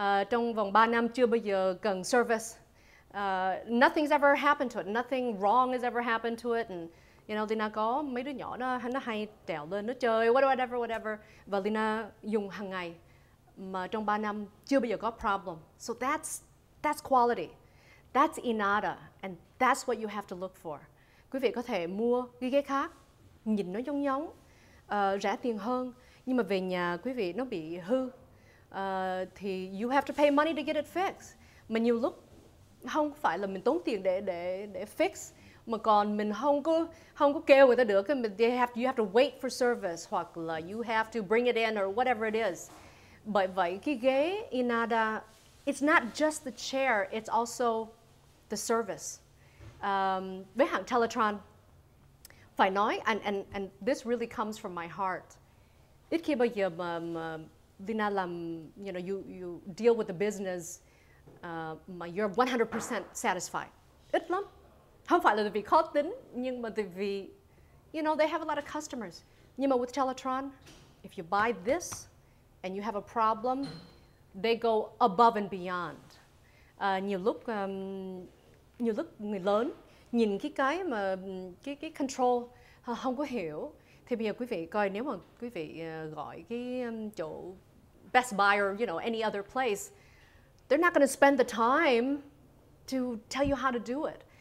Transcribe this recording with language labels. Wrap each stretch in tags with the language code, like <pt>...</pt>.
<vi>Trong vòng 3 năm chưa bao giờ cần service.</vi> <en>Nothing's ever happened to it. Nothing wrong has ever happened to it. And you know,</en> <vi>Lina có mấy đứa nhỏ nó hay trèo lên, nó chơi,</vi> <en>whatever.</en> <vi>Và Lina dùng hàng ngày, mà trong 3 năm chưa bao giờ có problem.</vi> <en>So that's quality. That's Inada, and that's what you have to look for.</en> <vi>quý vị có thể mua cái ghế khác, nhìn nó giống giống, rẻ tiền hơn, nhưng mà về nhà quý vị nó bị hư, thì</vi> <en>you have to pay money to get it fixed.</en> <vi>Mà nhiều lúc không phải là mình tốn tiền để fix, mà còn mình không có kêu người ta được,</vi> <en>you have to wait for service,</en> <vi>hoặc là</vi> <en>you have to bring it in or whatever it is.</en> <vi>Bởi vậy cái ghế Inada,</vi> <en>it's not just the chair, it's also the service.</en> <vi>Với hãng Teletron, phải nói,</vi> <en>and this really comes from my heart,</en> <vi>ít khi bao giờ mà Lina làm,</vi> <en>you know, you deal with the business mà you're 100% satisfied.</en> <vi>Ít lắm. Không phải là vì khó tính, nhưng mà vì,</vi> <en>you know, they have a lot of customers.</en> <vi>Nhưng mà</vi> <en>with Teletron, if you buy this and you have a problem, they go above and beyond.</en> <vi>Nhiều lúc người lớn nhìn cái control không có hiểu. Thì bây giờ quý vị coi, nếu mà quý vị gọi cái chỗ</vi> <en>Best Buy or, you know, any other place, they're not going to spend the time to tell you how to do it.</en>